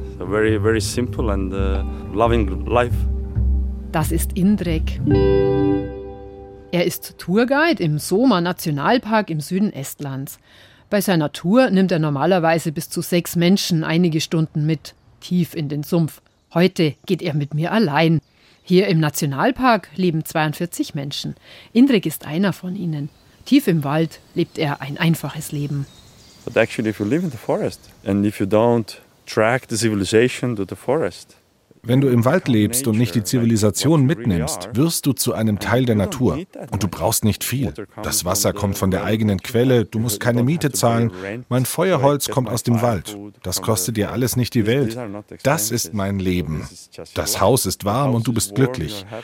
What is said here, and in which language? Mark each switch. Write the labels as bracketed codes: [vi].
[en] So very, very simple and loving life. [de] Das ist Indrek. Er ist Tourguide im Soma Nationalpark im Süden Estlands. Bei seiner Tour nimmt er normalerweise bis zu 6 Menschen einige Stunden mit, tief in den Sumpf. Heute geht er mit mir allein. Hier im Nationalpark leben 42 Menschen. Indrek ist einer von ihnen. Tief im Wald lebt er ein einfaches Leben. [en] But actually, if you live in the forest and if you don't track the civilization to the forest. [de] Wenn du im Wald lebst und nicht die Zivilisation mitnimmst, wirst du zu einem Teil der Natur. Und du brauchst nicht viel. Das Wasser kommt von der eigenen Quelle, du musst keine Miete zahlen. Mein Feuerholz kommt aus dem Wald. Das kostet dir alles nicht die Welt. Das ist mein Leben. Das Haus ist warm und du bist glücklich.